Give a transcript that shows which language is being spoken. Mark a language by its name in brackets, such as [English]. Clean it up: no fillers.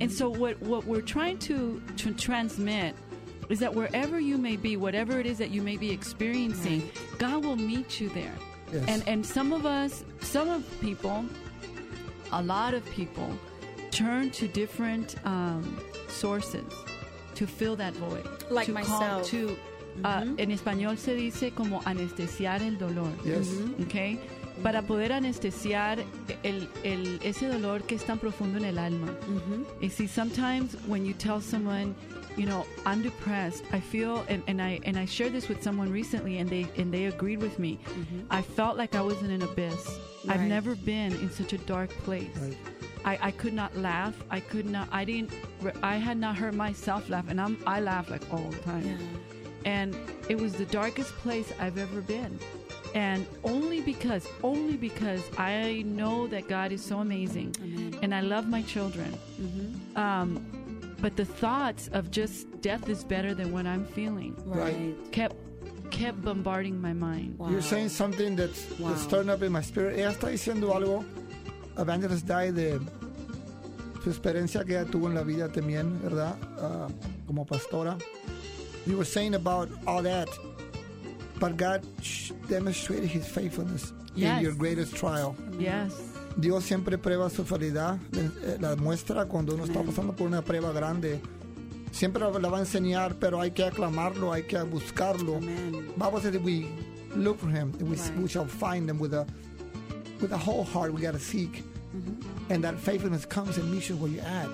[English] And so what we're trying to transmit is that wherever you may be, whatever it is that you may be experiencing, God will meet you there. Yes. And some of us, some of people, a lot of people, turn to different sources to fill that void. Like to myself. [Spanish] Call, to, en español se dice como anestesiar el dolor. [English] Yes. Mm-hmm. Okay? [Spanish] Para poder anestesiar ese dolor que es tan profundo en el alma. Mm-hmm. [English] You see, sometimes when you tell someone, you know, I'm depressed, I feel, and I shared this with someone recently, and they agreed with me. Mm-hmm. I felt like I was in an abyss. Right. I've never been in such a dark place. Right. I could not laugh. I could not. I had not heard myself laugh, and I laugh like all the time. Yeah. And it was the darkest place I've ever been. And only because I know that God is so amazing. Amen. And I love my children. Mm-hmm. But the thoughts of just death is better than what I'm feeling. Right. Kept bombarding my mind. Wow. You're saying something that's stirring up in my spirit. [Spanish] Ella está diciendo algo. Evangelist Di, de su experiencia que ella tuvo en la vida también, ¿verdad? Como pastora. [English] You were saying about all that. But God demonstrated his faithfulness in your greatest trial. Yes. [Spanish] Dios siempre prueba su fidelidad, la muestra cuando uno está pasando por una prueba grande. Siempre la va a enseñar, pero hay que aclamarlo, hay que buscarlo. [English] Amen. Bible says that we look for him, and we shall find him with a whole heart. We got to seek. Mm-hmm. And that faithfulness comes and meets you where you're at.